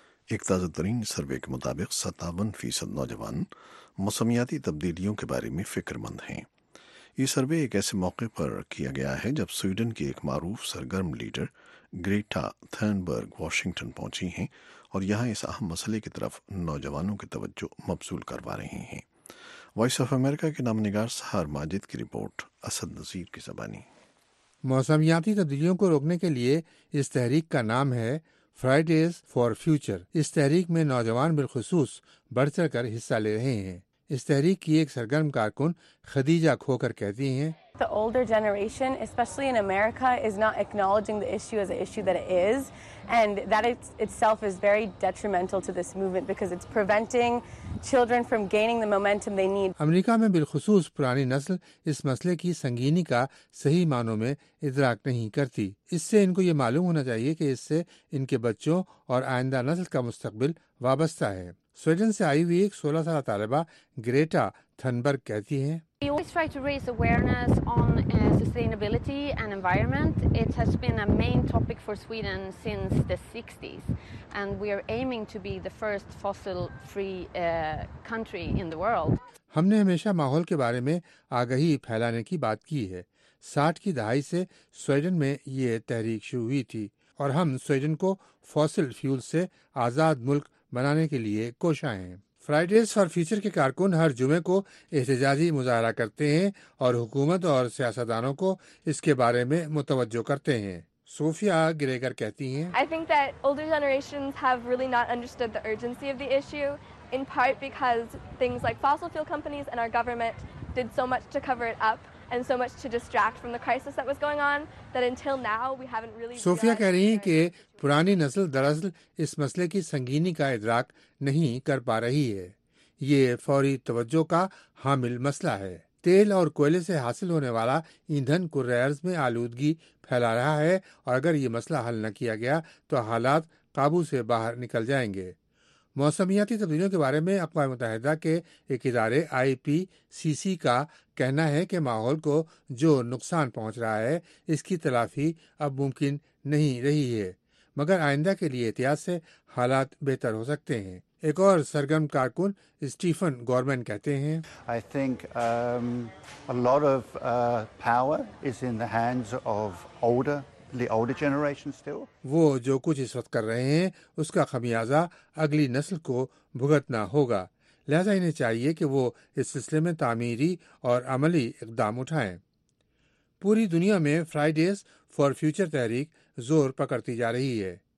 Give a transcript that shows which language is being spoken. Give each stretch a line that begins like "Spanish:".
Urdu: ایک تازہ ترین سروے کے مطابق 57% نوجوان موسمیاتی تبدیلیوں کے بارے میں فکر مند ہیں یہ سروے ایک ایسے موقع پر کیا گیا ہے جب سویڈن کی ایک معروف سرگرم لیڈر گریٹا تھنبرگ واشنگٹن پہنچی ہیں اور یہاں اس اہم مسئلے کی طرف نوجوانوں کی توجہ مبذول کروا رہے ہیں وائس آف امریکہ کے نام نگار سہار ماجد کی رپورٹ اسد نذیر کی زبانی موسمیاتی تبدیلیوں کو روکنے کے لیے اس تحریک کا نام ہے فرائیڈیز فار فیوچر اس تحریک میں نوجوان بالخصوص بڑھ چڑھ کر حصہ لے رہے ہیں اس تحریک کی ایک سرگرم کارکن خدیجہ کھوکر کہتی ہیں
English: The older generation, especially in America, is not acknowledging the issue as an issue that it is, and that itself is very detrimental to this movement because it's preventing children from gaining the momentum they need.
Urdu: امریکہ میں بالخصوص پرانی نسل اس مسئلے کی سنگینی کا صحیح معنوں میں ادراک نہیں کرتی اس سے ان کو یہ معلوم ہونا چاہیے کہ اس سے ان کے بچوں اور آئندہ نسل کا مستقبل وابستہ ہے سویڈن سے آئی ہوئی ایک 16 سالہ طالبہ گریٹا تھنبرگ کہتی ہیں
English: We always try to raise awareness on sustainability and environment. It has been a main topic for Sweden since the 60s. And we are aiming to be the first fossil-free country in the world.
Urdu: ہم نے ہمیشہ ماحول کے بارے میں آگہی پھیلانے کی بات کی ہے 60 کی دہائی سے سویڈن میں یہ تحریک شروع ہوئی تھی اور ہم سویڈن کو فوسل فیول سے آزاد ملک بنانے کے لیے کوشاں ہیں فرائیڈیز فار فیوچر کے کارکن ہر جمعے کو احتجاجی مظاہرہ کرتے ہیں اور حکومت اور سیاستدانوں کو اس کے بارے میں متوجہ کرتے ہیں صوفیہ گریگر کہتی ہیں
English: I think that older generations have really not understood the urgency of the issue in part because things like fossil fuel companies and our government did so much to cover it up and so much to distract from the crisis that was going on that until now we haven't really
Urdu: صوفیہ کہہ رہی ہیں کہ پرانی نسل دراصل اس مسئلے کی سنگینی کا ادراک نہیں کر پا رہی ہے یہ فوری توجہ کا حامل مسئلہ ہے تیل اور کوئلے سے حاصل ہونے والا ایندھن کرہ ارض میں آلودگی پھیلا رہا ہے اور اگر یہ مسئلہ حل نہ کیا گیا تو حالات قابو سے باہر نکل جائیں گے موسمیاتی تبدیلیوں کے بارے میں اقوام متحدہ کے ایک ادارے IPCC کا کہنا ہے کہ ماحول کو جو نقصان پہنچ رہا ہے اس کی تلافی اب ممکن نہیں رہی ہے مگر آئندہ کے لیے احتیاط سے حالات بہتر ہو سکتے ہیں ایک اور سرگرم کارکن اسٹیفن گورمن کہتے ہیں
English: I think a lot of power is in the hands of the older generation still.
Urdu: وہ جو کچھ اس وقت کر رہے ہیں اس کا خمیازہ اگلی نسل کو بھگتنا ہوگا, لہذا انہیں چاہیے کہ وہ اس سلسلے میں تعمیری اور عملی اقدام اٹھائیں. پوری دنیا میں فرائیڈیز فار فیوچر تحریک زور پکڑتی جا رہی ہے.